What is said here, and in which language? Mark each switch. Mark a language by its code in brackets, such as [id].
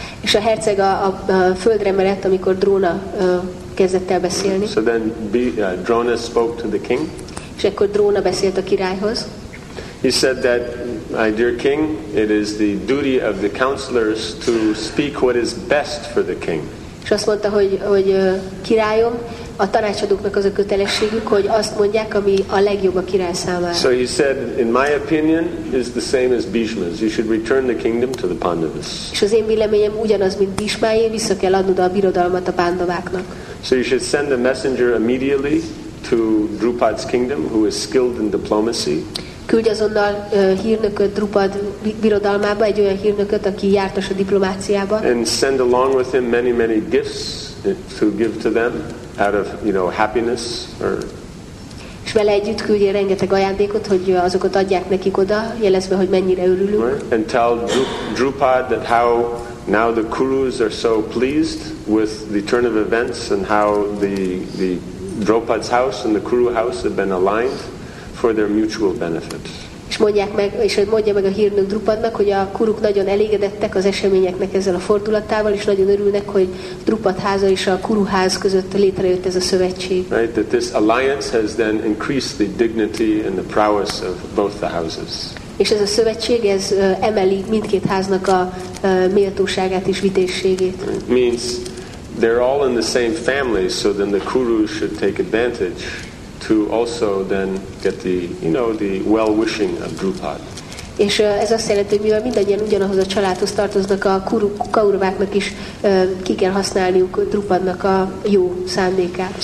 [hu] És a herceg a földre merett, amikor Dróna kezdett el beszélni. [en] So then Drona spoke to the king. [hu] És akkor Dróna beszélt a királyhoz. [en] He said that, my dear king, it is the duty of the counselors to speak what is best for the king. [hu] És azt mondta, hogy királyom, a tanácsadóknak az a kötelességük, hogy azt mondják, ami a legjobb a király számára. [en] So he said, in my opinion, is the same as Bhishma's. You should return the kingdom to the Pandavas. [hu] És az én véleményem ugyanaz, mint Bhishmáé, vissza kell adnod a birodalmat a Pandaváknak. [en] So you should send a messenger immediately to Drupad's kingdom, who is skilled in diplomacy. [hu] Küldj azonnal hírnököt Drupad birodalmába, egy olyan hírnököt, aki jártas a diplomáciába. [en] And send along with him many, many gifts to give to them. Out of, you know, happiness or. [hu] És vele együtt küldje rengeteg ajándékot, hogy azokat adják nekik oda, jelezve, hogy mennyire örülünk. [en] Right? And tell Drupad that how now the Kurus are so pleased with the turn of events and how the Drupad's house and the Kuru house have been aligned for their mutual benefit. [hu] És mondják meg, és mondja meg a hírnök Drupadnak, hogy a kuruk nagyon elégedettek az eseményeknek ezzel a fordulatával, és nagyon örülnek, hogy Drupad háza és a kuru ház között létrejött ez a szövetség. [en] Right, that this alliance has then increased the dignity and the prowess of both the houses. [hu] És ez a szövetség, ez emeli mindkét háznak a méltóságát és vitézségét. [en] It means they're all in the same family, so then the kurus should take advantage to also then get the, you know, the well-wishing of Drupad. [hu] És ez azt jelenti, hogy mivel mindannyian ugyanahoz a családhoz tartoznak, a kauruváknak is ki kell használniuk Drupadnak a jó szándékát.